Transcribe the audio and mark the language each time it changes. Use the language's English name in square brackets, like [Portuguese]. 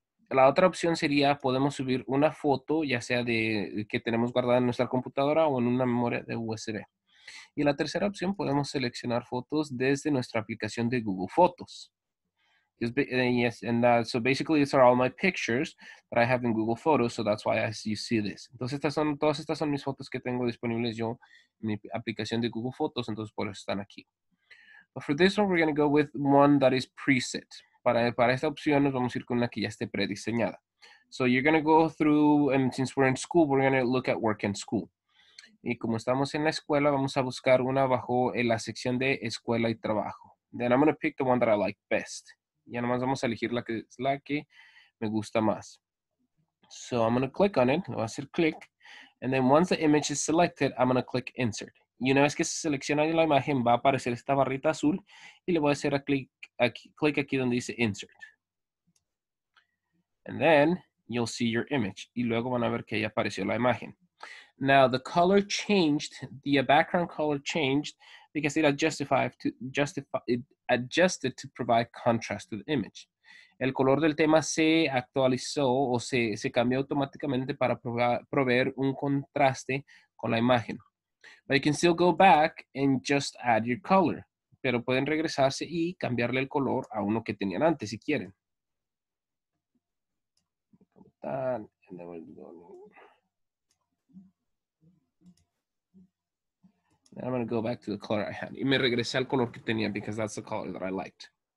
[Spanish] La otra opción sería, podemos subir una foto, ya sea de que tenemos guardada en nuestra computadora o en una memoria de USB. Y la tercera opción, podemos seleccionar fotos desde nuestra aplicación de Google Fotos. [English] So basically, these are all my pictures that I have in Google Photos, so that's why you see this. [Spanish] Entonces, todas estas son mis fotos que tengo disponibles yo en mi aplicación de Google Fotos, entonces por eso están aquí. [English] But for this one, we're going to go with one that is preset. [Spanish] Para esta opción nos vamos a ir con una que ya esté prediseñada. [English] So you're going to go through, and since we're in school, we're going to look at work in school. [Spanish] Y como estamos en la escuela, vamos a buscar una bajo en la sección de escuela y trabajo. [English] Then I'm going to pick the one that I like best. [Spanish] Ya nomás vamos a elegir la que me gusta más. [English] So I'm going to click on it. [Spanish] Lo voy a hacer click. [English] And then once the image is selected, I'm going to click insert. [Spanish] Y una vez que se selecciona la imagen, va a aparecer esta barrita azul. Y le voy a hacer click aquí donde dice insert. [English] And then you'll see your image. [Spanish] Y luego van a ver que ahí apareció la imagen. [English] Now the color changed. The background color changed. Because it adjusted to provide contrast to the image. [Spanish] El color del tema se actualizó o se cambió automáticamente para proveer un contraste con la imagen. [English] But you can still go back and just add your color. [Spanish] Pero pueden regresarse y cambiarle el color a uno que tenían antes si quieren. [English] Then I'm going to go back to the color I had. [Spanish] Y me regresé al color que tenía [English] because that's the color that I liked.